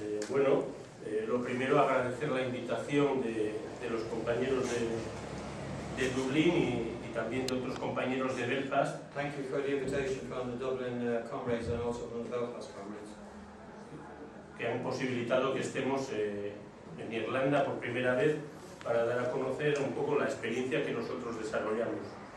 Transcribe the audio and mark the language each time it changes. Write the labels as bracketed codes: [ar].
[es] Bueno, lo primero agradecer la invitación de los compañeros de Dublín y también de otros compañeros de Belfast. [en] Thank you for the invitation from the Dublin comrades and also from the Belfast comrades. [es] Que han posibilitado que estemos en Irlanda por primera vez para dar a conocer un poco la experiencia que nosotros desarrollamos.